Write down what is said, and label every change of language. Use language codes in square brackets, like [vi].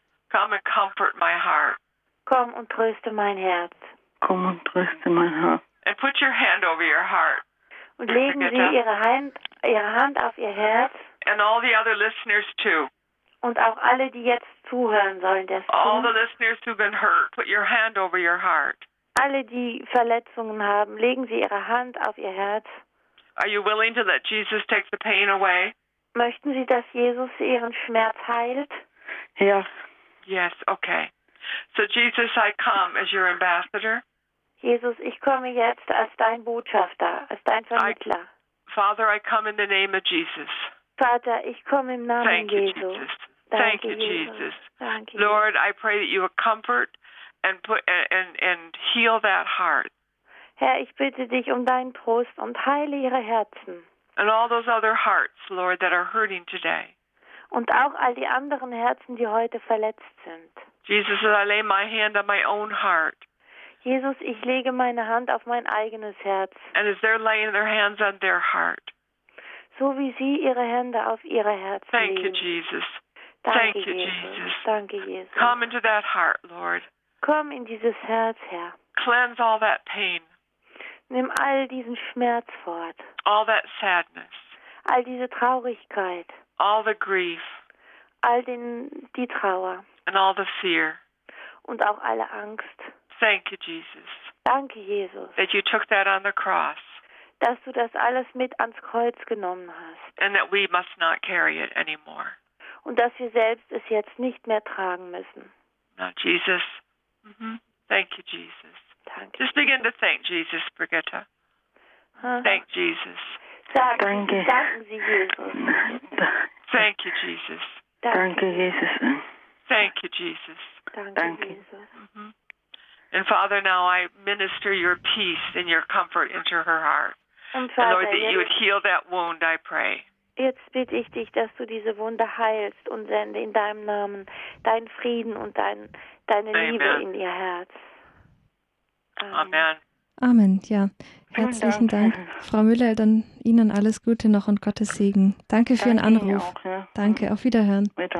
[en] Come and comfort my heart. [de] Komm und tröste mein Herz. Komm und tröste mein Herz. [en] And put your hand over your heart. [de] Und legen Sie Ihre Hand auf Ihr Herz. [en] And all the other listeners too. [de] Und auch alle, die jetzt zuhören sollen, das tun. [en] All the listeners who've been hurt, put your hand over your heart. [de] Alle, die Verletzungen haben, legen Sie Ihre Hand auf Ihr Herz. [en] Are you willing to let Jesus take the pain away? [de] Möchten Sie, dass Jesus Ihren Schmerz heilt? Ja. [en] Yes, okay. So Jesus, I come as your ambassador. [de] Jesus, ich komme jetzt als dein Botschafter, als dein Vermittler. [en] Father, I come in the name of Jesus. [de] Vater, ich komme im Namen [en] Thank you, [de] Jesu. [en] Jesus. [de] Danke, [en] Thank you, Jesus. [de] Danke, [en] Lord, I pray that you would comfort and put and heal that heart. [de] Herr, ich bitte dich um deinen Trost und heile ihre Herzen. [en] And all those other hearts, Lord, that are hurting today. [de] Und auch all die anderen Herzen, die heute verletzt sind. [en] Jesus, I lay my hand on my own heart. [de] Jesus, ich lege meine Hand auf mein eigenes Herz. [en] And as they're laying their hands on their heart. [de] So wie sie ihre Hände auf ihre Herzen legen. [en] Thank you, Jesus. [de] Danke, [en] Thank you, Jesus. [de] Danke, Jesus. [en] Come into that heart, Lord. [de] Komm in dieses Herz, Herr. [en] Cleanse all that pain. [de] Nimm all diesen Schmerz fort. [en] All that sadness. [de] All diese Traurigkeit. [en] All the grief. [de] All die Trauer. [en] And all the fear. [de] Und auch alle Angst. [en] Thank you, Jesus. [de] Danke, Jesus. [en] That you took that on the cross. [de] Dass du das alles mit ans Kreuz genommen hast. [en] And that we must not carry it anymore. [de] Und dass wir selbst es jetzt nicht mehr tragen müssen. [en] Now, Jesus. Mm-hmm. Thank you, Jesus. [de] Danke. [en] Just begin to thank Jesus, Brigitta. Huh? Thank Jesus. [de] Danke. Danken Sie, Jesus. [en] Thank you, Jesus. [de] Danke, Jesus. [en] Thank you, Jesus. [de] Danke, Jesus. Mm-hmm. [en] And Father, now I minister your peace and your comfort into her heart. [de] Und Vater, [en] and Lord, that you would heal that wound, I pray. [de] Jetzt bitte ich dich, dass du diese Wunde heilst und sende in deinem Namen deinen Frieden und deine [en] Amen. [de] Liebe in ihr Herz. Amen. Amen, ja. Herzlichen Dank. Frau Müller, dann Ihnen alles Gute noch und Gottes Segen. Danke für Ihren Anruf. Danke, auf Wiederhören.